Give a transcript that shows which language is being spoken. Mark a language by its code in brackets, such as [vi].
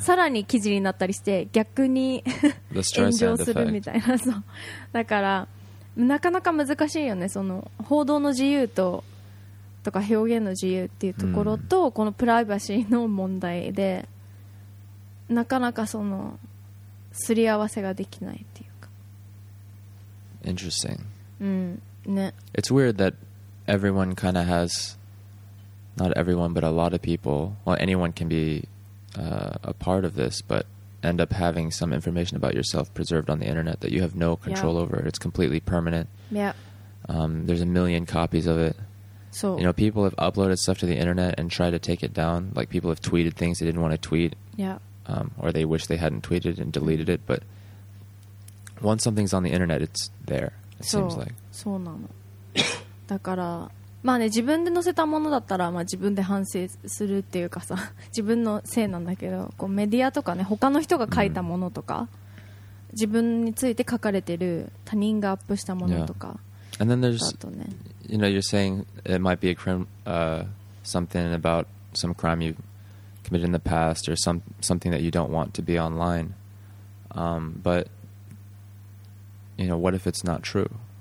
[ja] さらに記事になったりして逆に炎上するみたいな、そうだからなかなか難しいよねその報道の自由とか表現の自由っていうところと、mm. このプライバシーの問題でなかなかそのすり合わせができないっていうか [en] Interesting、 [ja] うんね、 [en] It's weird thatEveryone kind of has, not everyone, but a lot of people, well, anyone can be、a part of this, but end up having some information about yourself preserved on the internet that you have no control、 yeah. over. It's completely permanent. Yeah.、 there's a million copies of it. So, you know, people have uploaded stuff to the internet and tried to take it down. Like, people have tweeted things they didn't want to tweet. Yeah.、 or they wish they hadn't tweeted and deleted it, but once something's on the internet, it's there, it、 so、 seems like. [ja] そうなの。だからまあね自分で載せたものだったら、まあ、自分で反省するっていうかさ自分のせいなんだけどこうメディアとかね他の人が書いたものとか、mm-hmm. 自分について書かれてる他人がアップしたものとか、 [en] yeah. And then there's、ね、you know you're saying it might be a crime、something about some crime you committed in the past or something that you don't want to be online、but you know what if it's not true